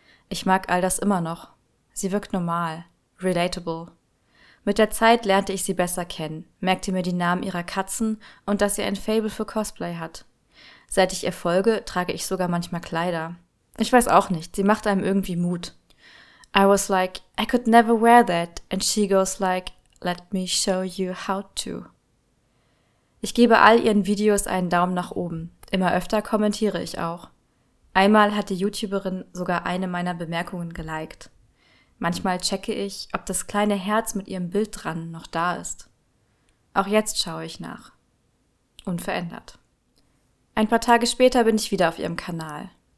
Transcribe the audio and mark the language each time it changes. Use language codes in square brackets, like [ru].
[de] Ich mag all das immer noch. Sie wirkt normal, relatable. Mit der Zeit lernte ich sie besser kennen, merkte mir die Namen ihrer Katzen und dass sie ein Fable für Cosplay hat. Seit ich ihr folge, trage ich sogar manchmal Kleider. Ich weiß auch nicht, sie macht einem irgendwie Mut. [en] I was like, I could never wear that, and she goes like, let me show you how to. [de] Ich gebe all ihren Videos einen Daumen nach oben. Immer öfter kommentiere ich auch. Einmal hat die YouTuberin sogar eine meiner Bemerkungen geliked. Manchmal checke ich, ob das kleine Herz mit ihrem Bild dran noch da ist. Auch jetzt schaue ich nach. Unverändert. Ein paar Tage später bin ich wieder auf ihrem Kanal.